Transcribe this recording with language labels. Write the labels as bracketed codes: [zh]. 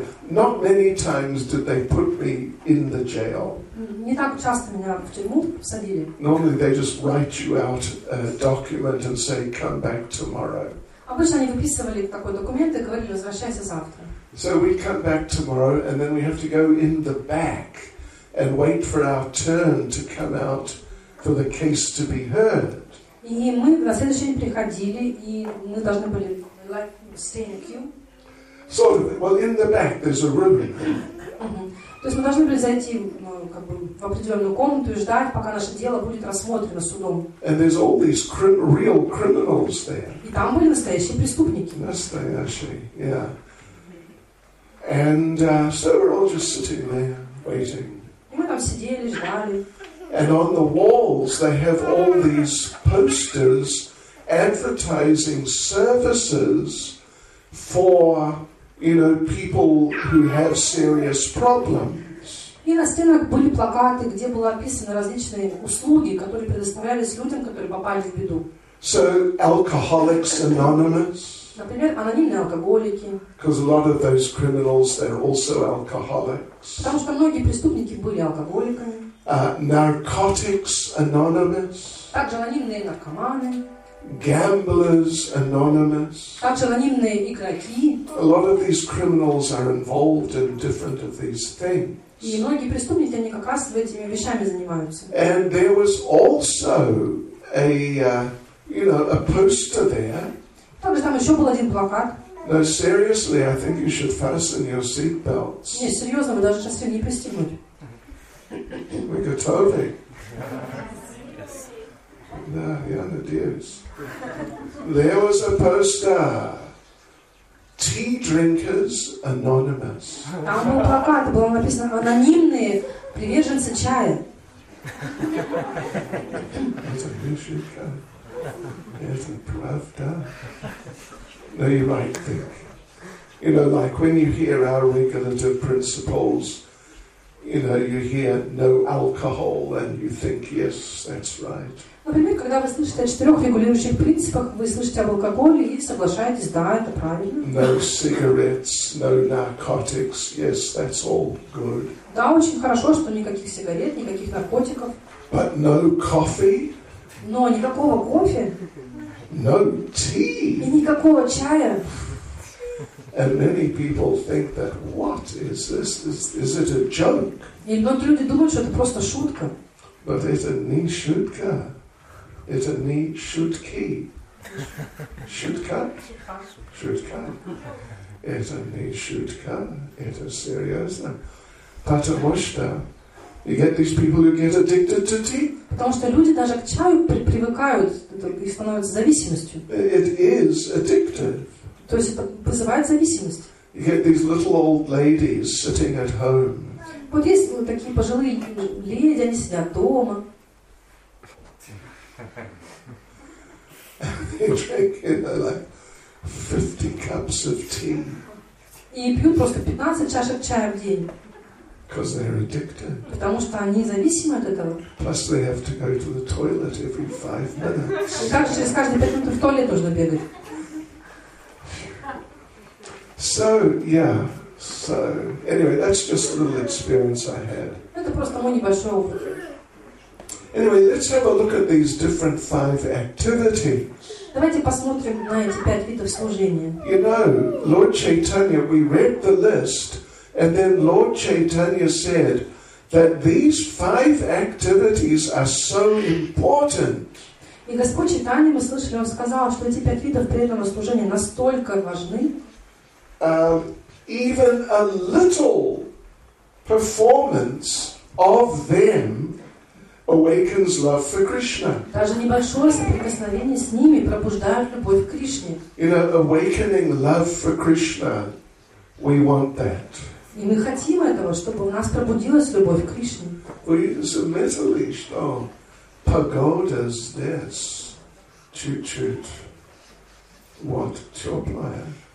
[en] Not many times did they put me in the jail. [ru] Не так часто меня в тюрьму садили. [en] Normally they just write you out a document and say come back tomorrow. [ru] Обычно они выписывали такой документ и говорили возвращайся завтра. [en] So we come back tomorrow and then we have to go in the back and wait for our turn to come out for the case to be heard. [ru] И мы на следующий день приходили, и мы должны были [en] stay in a queue. Sort of. Well, in the back there's a room. [ru] То есть мы должны были зайти в определенную комнату и ждать, пока наше дело будет рассмотрено судом. [en] And there's all these real criminals there. [ru] И там были настоящие преступники. Настоящие, [en] yeah. And so we're all just sitting there waiting. [ru] И мы там сидели, ждали. [en] And on the walls they have all these posters advertising services for, you know, people who have serious problems. [ru] И на стенах были плакаты, где было описано различные услуги, которые предоставлялись людям, которые попали в беду. [en] So, Alcoholics Anonymous. [ru] Например, анонимные алкоголики. [en] Because a lot of those criminals, they're also alcoholics. [ru] Потому что многие преступники были алкоголиками. [en] Narcotics Anonymous. [ru] Также анонимные наркоманы. [en] Gamblers Anonymous. [ru] Также анонимные игроки. [en] A lot of these criminals are involved in different of these things. [ru] И многие преступники, они как раз этими вещами занимаются. [en] And there was also a a poster there. [ru] Также там еще был один плакат. [en] No, seriously, I think you should fasten your seatbelts. [ru] Не, серьезно, вы даже сейчас не пристегнули. [en] We got Toby. No, yeah, no, dears. There was a poster. Tea Drinkers Anonymous. [ru] Там был плакат, было написано анонимные приверженцы чая. [en] That's a mission card. That's a Pravda. No, you might think. You know, like when you hear our regulative principles. You know, you hear no alcohol, and you think, yes, that's right. [ru] Например, когда вы слышите о четырех регулирующих принципах, вы слышите об алкоголе и соглашаетесь, да, это правильно. [en] No cigarettes, no narcotics, yes, that's all good. [ru] Да, очень хорошо, что никаких сигарет, никаких наркотиков. [en] But no coffee. [ru] Но никакого кофе. [en] No tea. [ru] И никакого чая. [en] And many people think that what is this? Is it a joke? [ru] И многие люди думают, что это просто шутка. [en] But it's a [ru] не шутка. [en] It's a [ru] не шутки. Шутка. Шутка. [en] It's a [ru] не шутка. [en] It is serious. [ru] Потому что [en] you get these people who get addicted to tea. [ru] Потому что люди даже к чаю привыкают и становятся зависимостью. [en] It is addictive. [ru] То есть это вызывает зависимость. [en] You get these little old ladies sitting at home. [ru] Вот есть вот такие пожилые леди, они сидят дома. [en] They drink, you know, like 50 cups of tea. [ru] И пьют просто 15 чашек чая в день. [en] Because they're addicted. [ru] Потому что они зависимы от этого. [en] Plus they have to go to the toilet every 5 minutes. [ru] И как через каждые 5 минут в туалет нужно бегать. [en] So, yeah, so, anyway, that's just a little experience I had. [ru] Это просто мой небольшой опыт. [en] Anyway, let's have a look at these different 5 activities. [ru] Давайте посмотрим на эти 5 видов служения. [en] You know, Lord Chaitanya, we read the list, and then Lord Chaitanya said, that these five activities are so important. [ru] И Господь читание мы слышали, он сказал, что эти пять видов преданного служения настолько важны. [en] Even a little performance of them awakens love for Krishna. [ru] Даже небольшое соприкосновение с ними пробуждает любовь к Кришне. [en] In awakening love for Krishna, we want that. [ru] И мы хотим этого, чтобы у нас пробудилась любовь к Кришне. Вы заметили, что погода здесь чуть-чуть вот теплая?